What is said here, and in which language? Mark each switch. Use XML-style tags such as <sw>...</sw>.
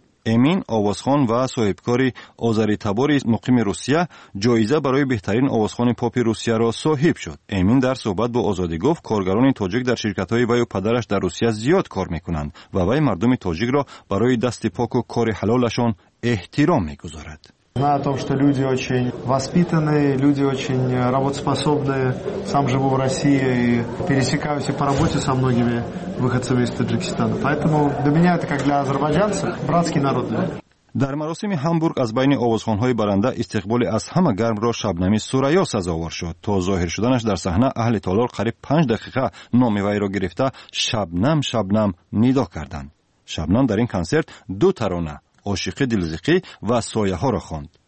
<fa>امین آوازخوان و صاحبکار آذری تبار مقیم روسیه جایزه برای بهترین آوازخوان پاپ روسیه را صاحب شد. امین در صحبت با آزادی گفت کارگران تاجیک در شرکت‌های وی و پدرش در روسیه زیاد کار می‌کنند و وی مردم تاجیک را برای دست پاک و کار حلالشان احترام می‌گذارد.</fa> <ru>Знаю о том, что люди очень воспитанные, люди очень работоспособные. Сам живу в России и пересекаюсь и по работе со многими выходцами из Таджикистана. Поэтому для меня это как для азербайджанцев братский народ.</ru> <fa>در مراسم هامبورگ از بین آوازخوان‌های برنده استقبال از همه گرم را شبنمی سوریا سزاوار شد. تا ظاهر شدنش در صحنه اهل تالار قریب 5 دقیقه نام وی را گرفته شبنم شبنم ندا کردند. شبنم در این کنسرت دو ترانه عاشق دلزقی و سایه ها را خواند.</fa>